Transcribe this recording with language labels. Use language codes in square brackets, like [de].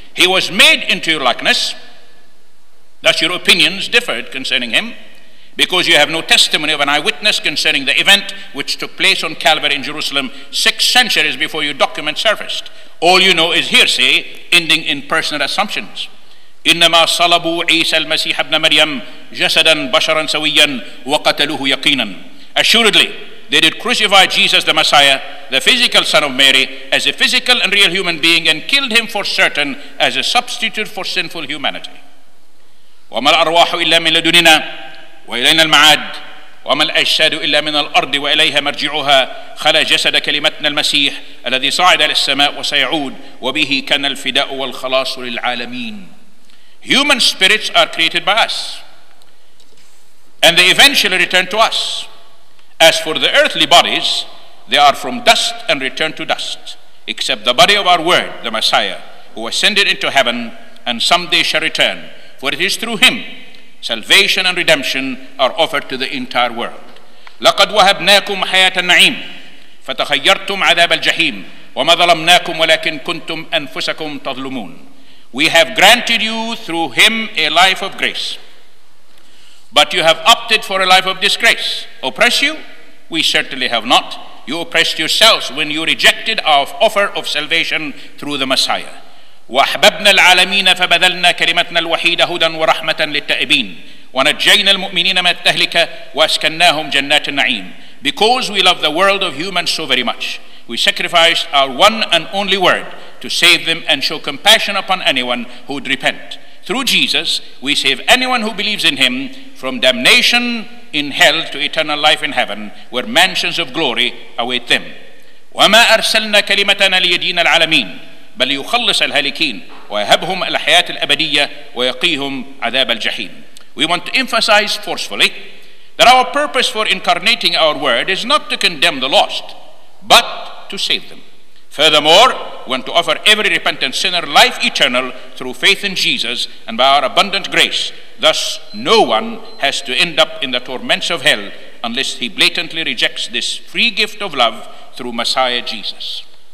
[en] He was made into your likeness, thus your opinions differed concerning him, because you have no testimony of an eyewitness concerning the event which took place on Calvary in Jerusalem 6 centuries before your document surfaced. All you know is hearsay, ending in personal assumptions. [ar] إنما صلبوا عيسى المسيح ابن مريم جسدا بشرا سويا وقتلوه يقينا. [en] Assuredly, they did crucify Jesus the Messiah, the physical son of Mary, as a physical and real human being, and killed him for certain as a substitute for sinful humanity. [ar] وما الأرواح إلا من لدننا وإلينا المعاد وما الأجساد إلا من الأرض وإليها مرجعها خلا جسد كلمتنا المسيح الذي صعد إلى السماء وسيعود وبه كان الفداء والخلاص للعالمين. [en] Human spirits are created by us and they eventually return to us. As for the earthly bodies, they are from dust and return to dust, except the body of our word, the Messiah, who ascended into heaven and someday shall return, for it is through him salvation and redemption are offered to the entire world. [ar] لقد وهبناكم حياة النعيم فتخيرتم عذاب الجحيم وما ظلمناكم ولكن كنتم أنفسكم تظلمون. [en] We have granted you through him a life of grace, but you have opted for a life of disgrace. Oppress you? We certainly have not. You oppressed yourselves when you rejected our offer of salvation through the Messiah. [ar] وأحببنا العالمين فبذلنا كلمتنا الوحيدة هدى ورحمة للتائبين ونجينا المؤمنين من التهلكة وأسكناهم جنات النعيم. [en] Because we love the world of humans so very much, we sacrificed our one and only word to save them and show compassion upon anyone who would repent. Through Jesus, we save anyone who believes in him from damnation in hell to eternal life in heaven, where mansions of glory await them. [ar] وما أرسلنا كلمتنا ليدين العالمين بل يخلص الهالكين ويهبهم الحياة الأبدية ويقيهم عذاب الجحيم. [en] We want to emphasize forcefully that our purpose for incarnating our word is not to condemn the lost, but to save them. Furthermore, we want to offer every repentant sinner life eternal through faith in Jesus and by our abundant grace. Thus, no one has to end up in the torments of hell unless he blatantly rejects this free gift of love through Messiah Jesus.